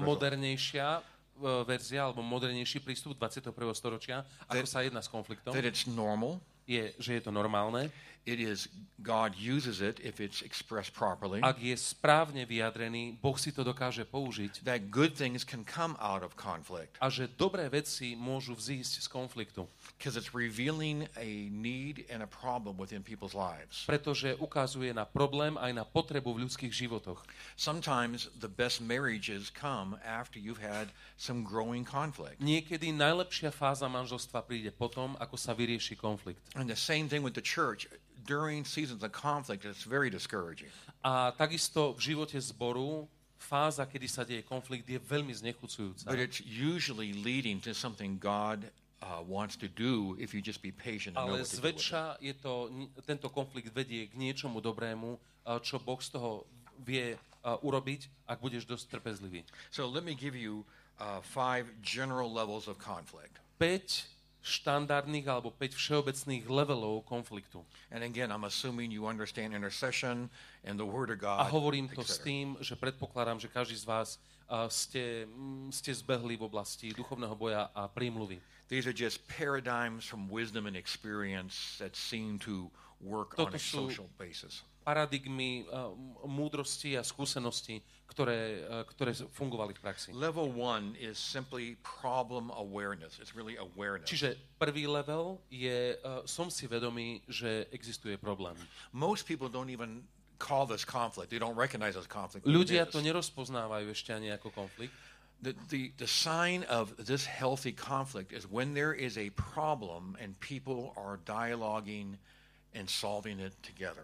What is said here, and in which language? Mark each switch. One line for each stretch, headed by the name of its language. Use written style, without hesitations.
Slovak: Modernejšia verzia alebo modernejší prístup 21. storočia, ako sa jedná s konfliktom.
English: That it's normal.
Slovak: Je, že je to normálne.
English: It is, God uses it if it's expressed properly.
Slovak: Ak je správne vyjadrený, Boh si to dokáže použiť.
English: That good things can come out of conflict.
Slovak: A že dobré veci môžu vzísť z konfliktu.
English: Because it's revealing a need and a problem within people's lives.
Slovak: Pretože ukazuje na problém aj na potrebu v ľudských životoch.
English: Sometimes the best marriages come after you've had some growing conflict.
Slovak: Niekedy najlepšia fáza manželstva príde potom, ako sa vyrieši konflikt.
English: And the same thing with the church. During seasons of conflict, it's very discouraging.
Slovak: A takisto v živote zboru fáza, kedy sa deje konflikt, je veľmi znechucujúca.
English: But it's usually leading to something God wants to do if you just be patient and
Slovak: ale
English: know what to do.
Slovak: Ale zväčša je to, tento konflikt vedie k niečomu dobrému, čo Boh z toho vie urobiť, ak budeš dosť trpezlivý.
English: So let me give you five general levels of conflict.
Slovak: 5 štandardných alebo 5 všeobecných levelov konfliktu.
English: And again, I'm assuming you understand intercession and the word of God.
Slovak: A hovorím to s tým, že predpokladám, že každý z vás ste zbehli v oblasti duchovného boja a prímluvy.
English: These are just paradigms from wisdom and experience that seem to work
Slovak: toto
English: on a social basis.
Slovak: Paradigmy múdrosti a skúsenosti, ktoré fungovali v praxi.
English: Level 1 is simply problem awareness. It's really awareness.
Slovak: Čiže prvý level je som si vedomý, že existuje problém.
English: Most people don't even call this conflict. They don't recognize this conflict.
Slovak: Ľudia to nerozpoznávajú ešte ani ako konflikt.
English: The sign of this healthy conflict is when there is a problem and people are dialoguing and solving it together.